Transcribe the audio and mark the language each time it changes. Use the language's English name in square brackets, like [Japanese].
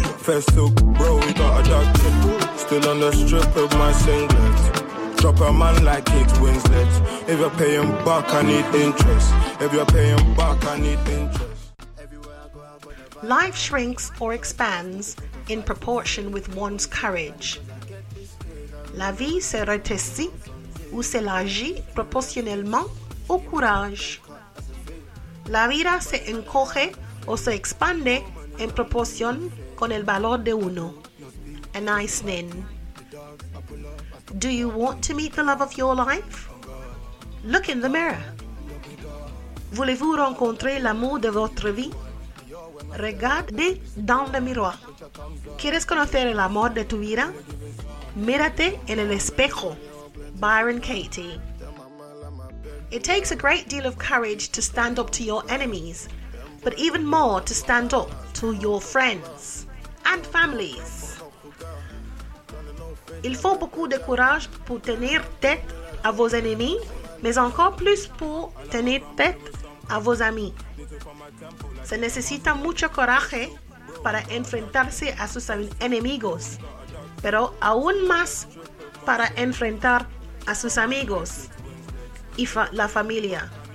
[English] First took, bro, we got adopted. Still on the strip of my singlet. Drop a man like Kate Winslet. If you're paying back, I need interest. If you're paying back, I need interest. Life shrinks or expands in proportion with one's courage. [French] La vie se rétrécit ou s'élargit proportionnellement au courage. [Spanish] La vida se encoge o se expande en proporción con el valor de uno. [English] A nice name. Do you want to meet the love of your life? Look in the mirror. [French] Voulez-vous rencontrer l'amour de votre vie? Regardez dans le miroir. [Spanish] ¿Quieres conocer el amor de tu vida? Mírate en el espejo. Byron Katie. [English] It takes a great deal of courage to stand up to your enemies, but even more to stand up to your friends and families. [French] Il faut beaucoup de courage pour tenir tête à vos ennemis, mais encore plus pour tenir tête à vos amis. [Spanish] Se necesita mucho coraje para enfrentarse a sus enemigos, pero aún más para enfrentar a sus amigos y la familia.